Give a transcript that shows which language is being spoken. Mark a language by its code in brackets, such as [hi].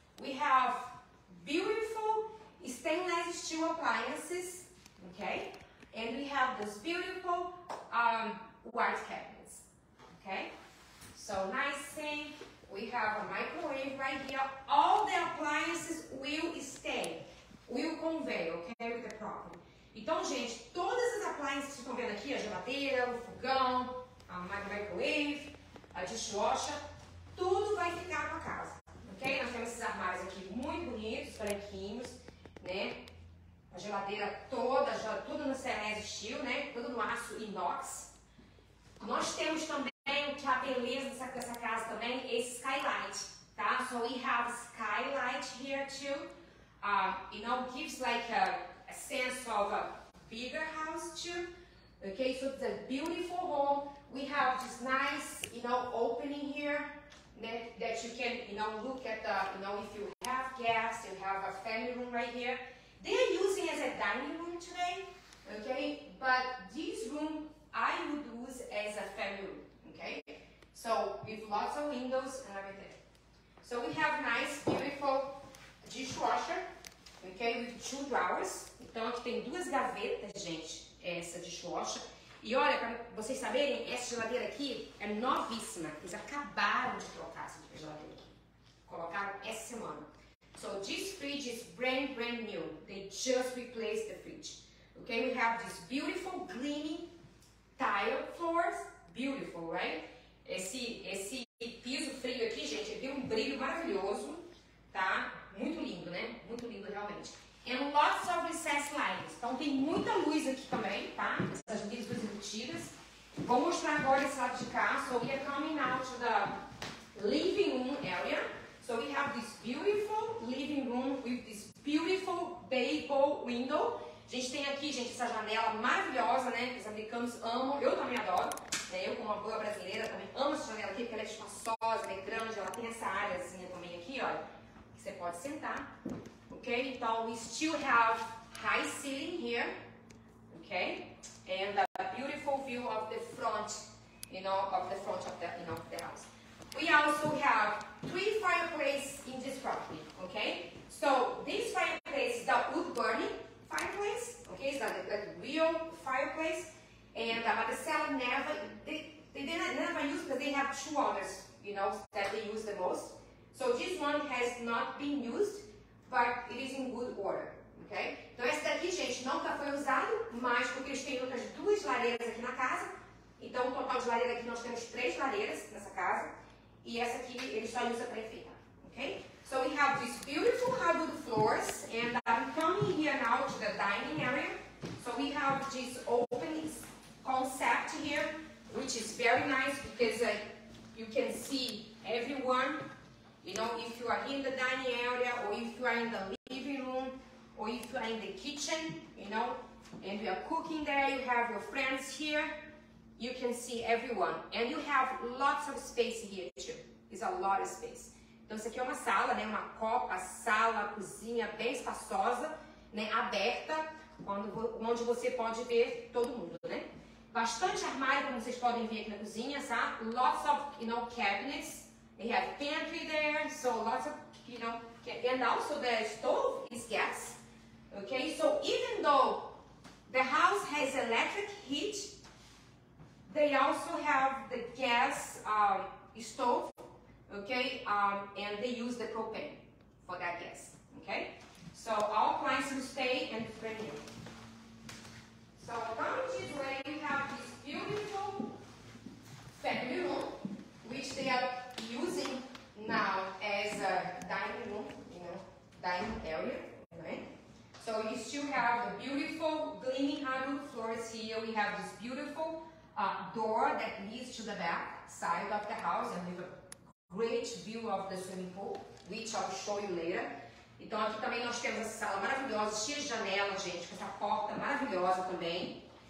[en] We have beautiful stainless steel appliances, ok? And we have those beautiful white cabinets, ok? So nice sink. We have a microwave right here. All the appliances will stay, will convey, okay, with the property. [pt] Então, gente, todas as appliances que estão vendo aqui, a geladeira, o fogão, a microwave, a dishwasher, tudo vai ficar com a casa, ok? Nós temos esses armários aqui muito bonitos, branquinhos, né? A geladeira toda, tudo no stainless steel, né? Tudo no aço inox. Nós temos também, que a beleza dessa casa também, esse skylight, tá? [en] So we have skylight here too. You know, gives like a sense of a bigger house too. Okay, so it's a beautiful home. We have this nice, you know, opening here that you can, you know, look at the, you know, if you have guests, you have a family room right here. They're using as a dining room today, okay? But this room I would use as a family room. Okay, so with lots of windows and everything. So we have nice, beautiful dishwasher, okay, with two drawers. [pt] Então aqui tem duas gavetas, gente, essa dishwasher. E olha, para vocês saberem, essa geladeira aqui é novíssima. Eles acabaram de trocar essa geladeira aqui. Colocaram essa semana. [en] So this fridge is brand new. They just replaced the fridge. Okay, we have this beautiful gleaming tile floors. Beautiful, right? [pt] Esse piso frio aqui, gente, ele tem um brilho maravilhoso, tá? Muito lindo, né? Muito lindo, realmente. [en] And lots of recessed lights. [pt] Então, tem muita luz aqui também, tá? Essas luzes embutidas. Vou mostrar agora esse lado de cá. [en] So, we are coming out to the living room area. So, we have this beautiful living room with this beautiful bay window. [pt] A gente tem aqui, gente, essa janela maravilhosa, né? Que os americanos amam. Eu também adoro. Eu, como uma boa brasileira, também amo essa janela aqui, porque ela é espaçosa, ela é grande, ela tem essa áreazinha também aqui, olha, que você pode sentar, ok? [en] Então, we still have high ceiling here, ok? And a beautiful view of the front, you know, of the front of the, you know, of the house. We also have three fireplaces in this property, ok? So, this fireplace is the wood-burning fireplace, ok? It's not the real fireplace. And but the seller never, they never use because they have two others, you know, that they use the most. So this one has not been used, but it is in good order, okay? [pt] Então essa daqui, gente, nunca foi usado, mas porque eles têm outras duas lareiras aqui na casa. Então o total de lareira aqui, nós temos três lareiras nessa casa. E essa aqui, ele já usa prefeita. Okay? [en] So we have these beautiful hardwood floors, and I'm coming here now to the dining area. So we have this openings concept here, which is very nice because you can see everyone. You know, if you are in the dining area, or if you are in the living room, or if you are in the kitchen, you know, and you are cooking there, you have your friends here, you can see everyone. And you have lots of space here too. It's a lot of space. [pt] Então, isso aqui é uma sala, né? Uma copa, sala, cozinha bem espaçosa, né? Aberta, onde você pode ver todo mundo, né? Bastante armário, como vocês podem ver aqui na cozinha, sabe? [en] Lots of, you know, cabinets. They have pantry there, so lots of, you know, and also the stove is gas. Okay, so even though the house has electric heat, they also have the gas stove. Okay, and they use the propane for that gas. Okay, so all clients will stay and bring you. So around this way you have this beautiful family room, which they are using now as a dining room, you know, dining area. Right? So you still have the beautiful gleaming hardwood floors here. We have this beautiful door that leads to the back side of the house, and we've great view of the swimming pool, which I'll show you later. [pt] Então aqui também nós temos essa sala maravilhosa, cheia de janela, gente, com essa porta maravilhosa também.